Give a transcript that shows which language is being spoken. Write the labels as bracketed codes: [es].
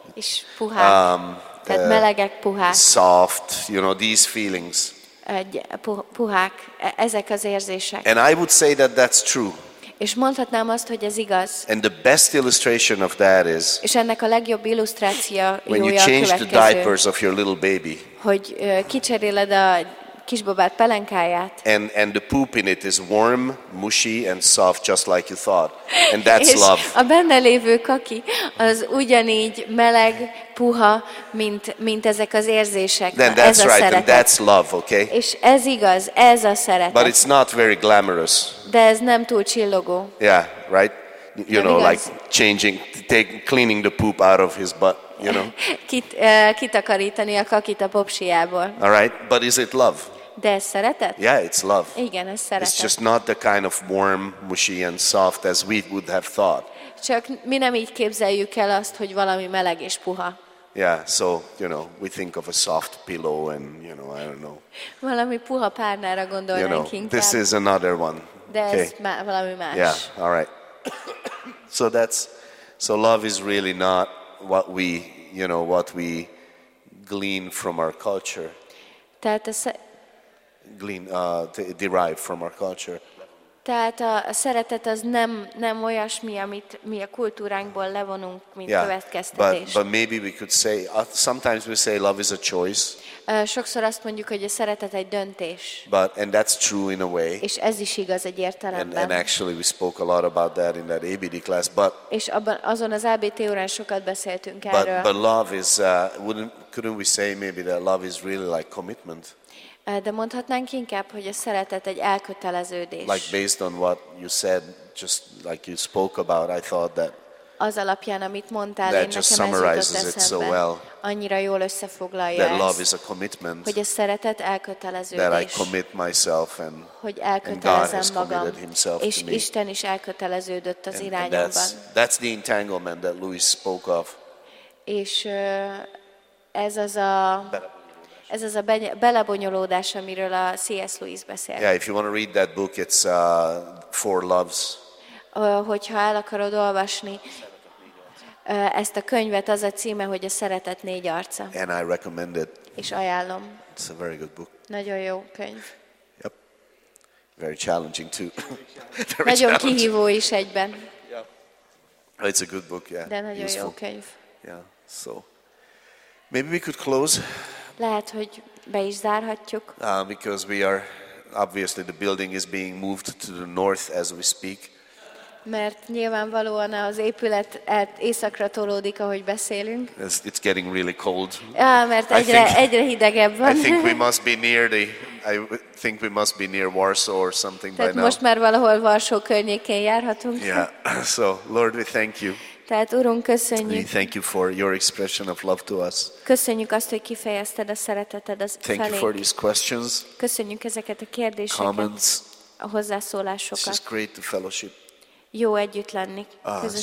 [hu] És puha. Tehát melegek, puhák. [en] Soft, you know, these feelings. [hu] Puhák, ezek az érzések. [en] And I would say that that's true. [hu] És mondhatnám azt, hogy ez igaz. [en] And the best illustration of that is. [hu] És ennek a legjobb illusztrációja a következő. [en] When you change the diapers of your little baby. [hu] Hogy kicseréled a kisbabát pelenkáját. [en] And the poop in it is warm, mushy and soft, just like you thought. And that's love. [hu] A benne lévő kaki az ugyanígy meleg, puha, mint ezek az érzések. [en] Then that's right, and that's love, okay? [hu] És ez igaz, ez a szeretet. [en] But it's not very glamorous. [hu] De ez nem túl csillogó. [en] Yeah, right? You know, like changing, cleaning the poop out of his butt. you know. [hu] Kitakarítani a kakit a popsijából. [en] All right, but is it love? [hu] De ez szeretet? [en] Yeah, it's love. [hu] Igen, ez szeretet. [en] It's just not the kind of warm, mushy and soft as we would have thought. [hu] Csak mi nem így képzeljük el azt, hogy valami meleg és puha. [en] Yeah, so, you know, we think of a soft pillow and, you know, I don't know. [hu] Valami puha párnára gondolnánk inkább. [en] You know, this is another one. [hu] De ez valami más. [en] Yeah, all right. So that's, so love is really not what we, you know, what we glean from our culture. [hu] Tehát a [en] derive from our culture. [hu] Tehát a szeretet az nem olyasmi, amit mi a kultúránkból levonunk, mint [en] yeah, [hu] következtetés. [en] But maybe we could say, sometimes we say love is a choice. [hu] Sokszor azt mondjuk, hogy a szeretet egy döntés. [en] But, and that's true in a way. [hu] És ez is igaz egy értelemben. [en] And actually we spoke a lot about that in that ABT class. But, [hu] és abban, azon az ABT órán sokat beszéltünk erről. [en] But love is, couldn't we say maybe that love is really like commitment? [hu] De mondhatnánk inkább, hogy a szeretet egy elköteleződés. [en] Like based on what you said, just like you spoke about, I thought that. [hu] Az alapján, amit mondtál, én nekem ez jutott eszembe. Annyira jól összefoglalja. [en] That love is a commitment. [hu] Hogy a szeretet elköteleződés. [en] That I commit myself and. [hu] Hogy elkötelezem magam. És Isten is elköteleződött az irányomban. [en] That's the entanglement that Louis spoke of. [hu] És ez az a. Ez az a belebonyolódás, amiről a C.S. Lewis beszélt. [en] Yeah, if you want to read that book, it's Four Loves. [hu] Hogyha el akarod olvasni ezt a könyvet, az a címe, hogy a szeretet négy arca. [en] And I recommend it. [hu] És ajánlom. [en] It's a very good book. [hu] Nagyon jó könyv. [en] Yep. Very challenging too. [hu] Nagyon kihívó is egyben. [en] Yeah. It's a good book, yeah. [hu] De nagyon jó könyv. [en] Yeah, so. Maybe we could close. [hu] Lehet, hogy be is zárhatjuk. [en] Because we are obviously the building is being moved to the north as we speak. [hu] Mert nyilvánvalóan az épület északra tolódik, ahogy beszélünk. [en] It's getting really cold. [hu] Mert egyre hidegebb van. [en] I think we must be near Warsaw or something [hu] tehát [en] by now. [hu] Most már valahol Varsó környékén járhatunk. [en] Yeah. So, Lord, we thank you. [hu] Tehát, Urunk, köszönjük. [en] We thank you for your expression of love to us. [hu] Köszönjük azt, hogy kifejezted a szereteted az felénk. [en] Thank you for these questions. [hu] Köszönjük ezeket a kérdéseket. [en] Comments. [hu] A hozzászólásokat. [en] It's just great to fellowship. [hu] Jó együtt lenni közösségben.